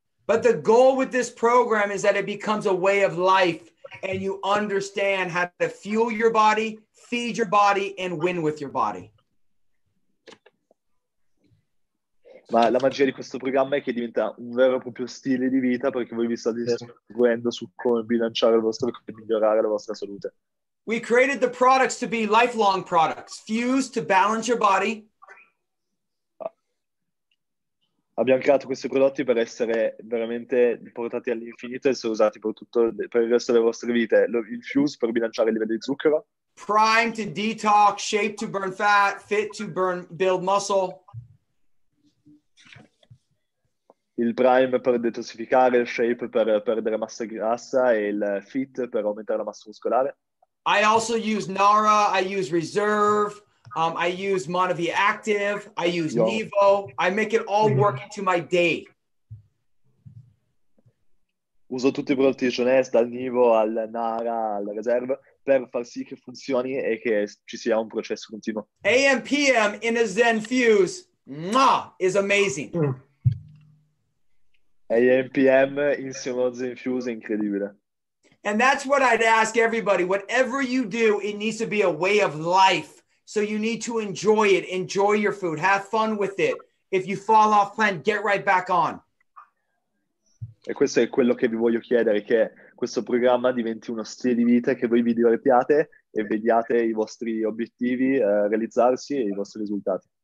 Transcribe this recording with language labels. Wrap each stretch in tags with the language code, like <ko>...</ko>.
<en>But the goal with this program is that it becomes a way of life and you understand how to fuel your body, feed your body, and win with your body.</en> <it>Ma la magia di questo programma è che diventa un vero e proprio stile di vita, perché voi vi state istruendo su come bilanciare il vostro e migliorare la vostra salute.</it> <en>We created the products to be lifelong products, fused to balance your body.</en> <it>Abbiamo creato questi prodotti per essere veramente portati all'infinito e essere usati per tutto, per il resto delle vostre vite. Il fuse per bilanciare il livello di zucchero.</it> <en>Prime to detox, shape to burn fat, fit to burn, build muscle.</en> <it>Il prime per detossificare, il shape per perdere massa grassa e il fit per aumentare la massa muscolare.</it> <en>I also use Nara, I use Reserve. I use Monavi Active, I use Nevo, I make it all work into my day.</en> <it>Uso tutti i prodotti di Jeunesse, dal Nevo al Nara, al Reserve, per far sì che funzioni e che ci sia un processo continuo.</it> <en>AM PM in a Zen Fuse, mwah, is amazing.</en> <it>AM PM insieme a Zen Fuse è incredibile.</it> <en>And that's what I'd ask everybody, whatever you do, it needs to be a way of life. So you need to enjoy it, enjoy your food, have fun with it. If you fall off plan, get right back on.</en> <it>E questo è quello che vi voglio chiedere, che questo programma diventi uno stile di vita, che voi vi divertiate e vediate i vostri obiettivi realizzarsi e i vostri risultati.</it>